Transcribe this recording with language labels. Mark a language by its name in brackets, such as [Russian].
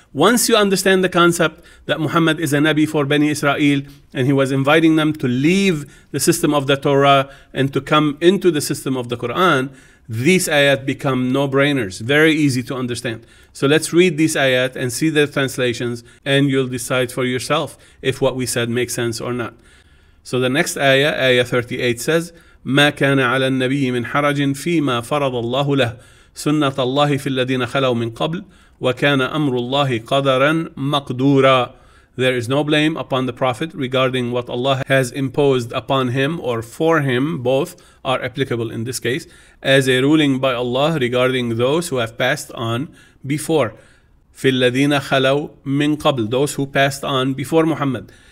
[English] Once you understand the concept that Muhammad is a Nabi for Bani Israel and he was inviting them to leave the system of the Torah and to come into the system of the Quran, these ayat become no-brainers, very easy to understand. So let's read these ayat and see the translations and you'll decide for yourself if what we said makes sense or not. So the next ayah, ayah 38 says, [Arabic] مَا كَانَ عَلَى النَّبِيِّ مِنْ حَرَجٍ فِي مَا فَرَضَ اللَّهُ لَهُ سُنَّةَ اللَّهِ فِي الَّذِينَ خَلَوْا مِنْ قَبْلِ وَكَانَ أَمْرُ اللَّهِ قَدَرًا مَقْدُورًا. [English] There is no blame upon the Prophet regarding what Allah has imposed upon him or for him. Both are applicable in this case as a ruling by Allah regarding those who have passed on before. [Arabic] فِي الَّذِينَ خَلَوْا مِنْ قَبْلِ, [English] those who passed on before Muhammad.